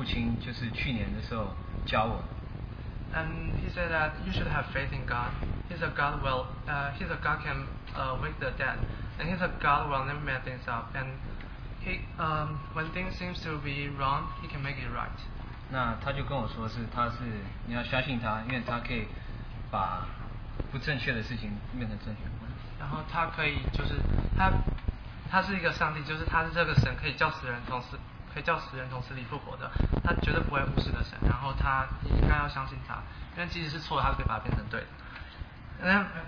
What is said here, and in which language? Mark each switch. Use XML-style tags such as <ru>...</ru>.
<zh>那我就有一些话语，就是我父亲就是去年的时候教我。</zh> <en>And he said that you should have faith in God. He's a God will, he's a God can wake the dead, and he's a God will never make things up. And he, when things seem to be wrong, he can make it right.</en> <zh>那他就跟我说是他是你要相信他，因为他可以把不正确的事情变成正确。然后他可以就是他是一个上帝，就是他是这个神可以叫死人从死里复活的，他绝对不会忽视的神。然后他应该要相信他，因为即使是错，他可以把它变成对的。</zh>